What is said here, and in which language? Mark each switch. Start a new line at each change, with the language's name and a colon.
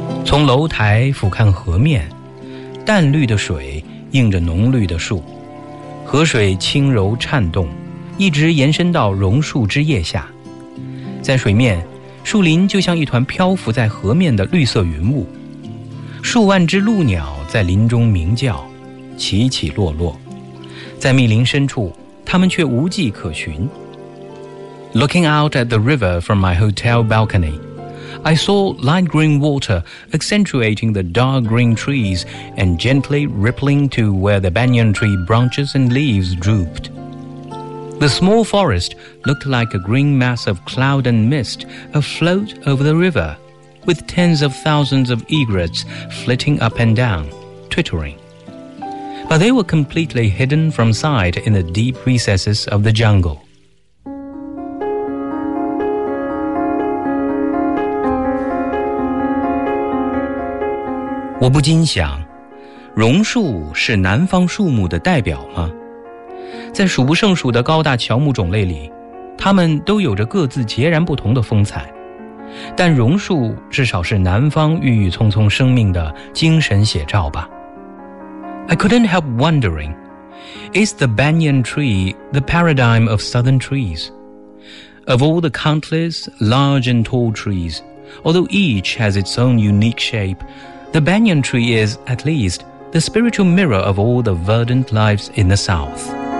English: From
Chinese: 楼台俯瞰河面，淡绿的水映着浓绿的树，河水轻柔颤动，一直延伸到榕树枝叶下。在水面，树林就像一团漂浮在河面的绿色云雾，数万只鹭鸟在林中鸣叫，起起落落，在密林深处，它们却无迹可寻。
English: Looking out at the river from my hotel balcony, I saw light green water accentuating the dark green trees and gently rippling to where the banyan tree branches and leaves drooped. The small forest looked like a green mass of cloud and mist afloat over the river, with tens of thousands of egrets flitting up and down, twittering. But they were completely hidden from sight in the deep recesses of the jungle. I
Chinese: 不禁想，榕树是南方树木的代表吗？在数不胜数的高大乔木种类里，它们都有着各自截然不同的风采，但榕树至少是南方郁郁葱葱生命的精神写照吧。
English: I couldn't help wondering, is the banyan tree the paradigm of southern trees? Of all the countless large and tall trees, although each has its own unique shape, the banyan tree is, at least, the spiritual mirror of all the verdant lives in the south.